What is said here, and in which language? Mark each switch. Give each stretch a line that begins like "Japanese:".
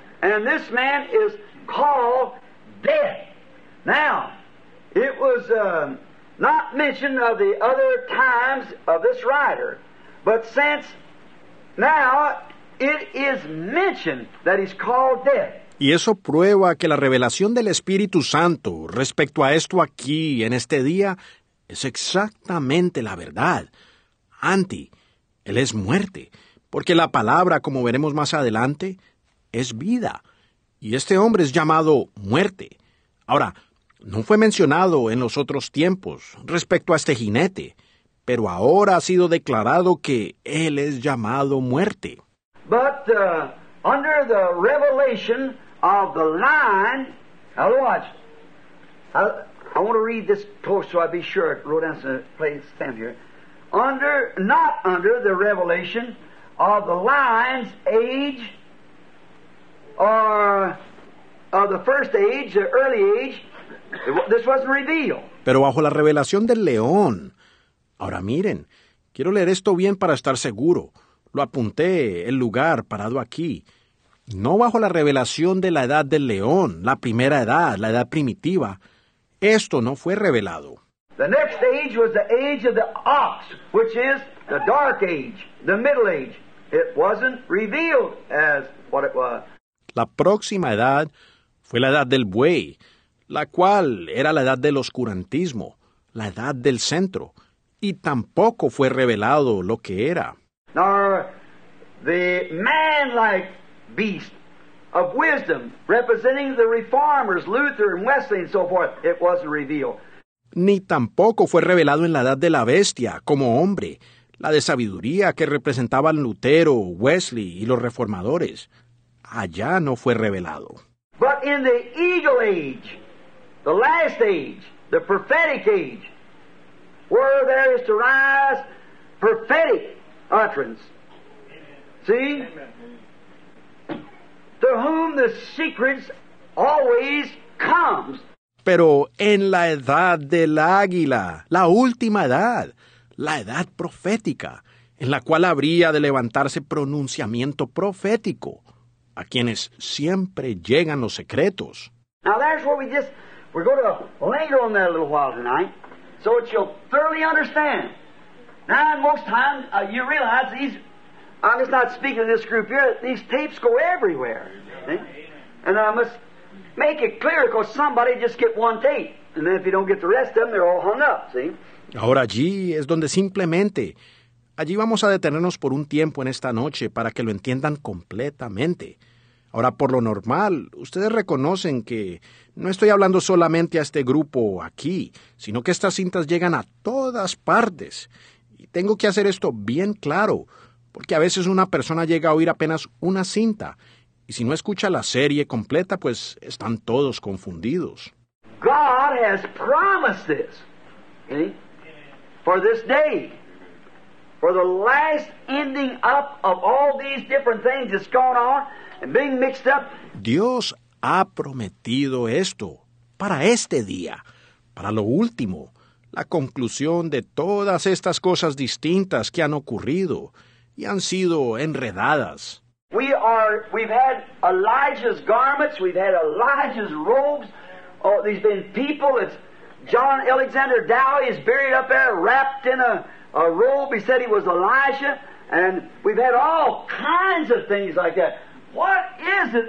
English: And this man is called Death. Now, it was not mentioned of the other times of this writer, but since now it is mentioned that he's called Death.
Spanish: Y eso prueba que la revelación del Espíritu Santo respecto a esto aquí, en este día, es exactamente la verdad. Anti, él es muerte, porque la palabra, como veremos más adelante, es vida. Y este hombre es llamado muerte. Ahora, no fue mencionado en los otros tiempos respecto a este jinete, pero ahora ha sido declarado que él es llamado muerte.
English: But under the revelation of the line, now watch. I want to read this close so I'll be sure. Wrote down some place, stand here. Under, not under the revelation of the lion's age, or of the first age, the early age, this wasn't revealed.
Spanish: Pero bajo la revelación del león. Ahora miren, quiero leer esto bien para estar seguro. Lo apunté, el lugar, parado aquí. No bajo la revelación de la edad del león, la primera edad, la edad primitiva. Esto no fue revelado.
English: The next age was the age of the ox, which is the dark age, the middle age. It wasn't revealed as what it was.
Spanish: La próxima edad fue la edad del buey, la cual era la edad del oscurantismo, la edad del centro. Y tampoco fue revelado lo que era.
English: Nor the man-like beast of wisdom, representing the reformers, Luther and Wesley and so forth, it wasn't revealed.
Spanish: ni tampoco fue revelado en la edad de la bestia, como hombre, la de sabiduría que representaban Lutero, Wesley y los reformadores. Allá no fue revelado.
English: But in the eagle age, the last age, the prophetic age, where there is to rise prophetic utterance. See? To whom the secrets always comes.
Spanish: Pero en la edad del águila, la última edad, la edad profética, en la cual habría de levantarse pronunciamiento profético, a quienes siempre llegan los secretos.
English: Now that's where we're going to linger on that a little while tonight, so that you'll thoroughly understand. Now, most times, you realize I'm just not speaking to this group here, these tapes go everywhere. And I must make it clear, because somebody just get one tape, and then if you don't get the rest of them, they're all hung up, see?
Spanish: Ahora allí es donde simplemente, allí vamos a detenernos por un tiempo en esta noche para que lo entiendan completamente. Ahora, por lo normal, ustedes reconocen que no estoy hablando solamente a este grupo aquí, sino que estas cintas llegan a todas partes. Y tengo que hacer esto bien claro, porque a veces una persona llega a oír apenas una cinta, y si no escucha la serie completa, pues están todos confundidos.
English: God has promised this. Okay? For this day, for the last ending up of all these different things that's going on and being mixed up.
Spanish: Dios ha prometido esto para este día, para lo último, la conclusión de todas estas cosas distintas que han ocurrido y han sido enredadas.
English: We've had Elijah's garments, we've had Elijah's robes, oh, there's been people, it's John Alexander Dowie is buried up there, wrapped in a robe. He said he was Elijah, and we've had all kinds of things like that. What is it?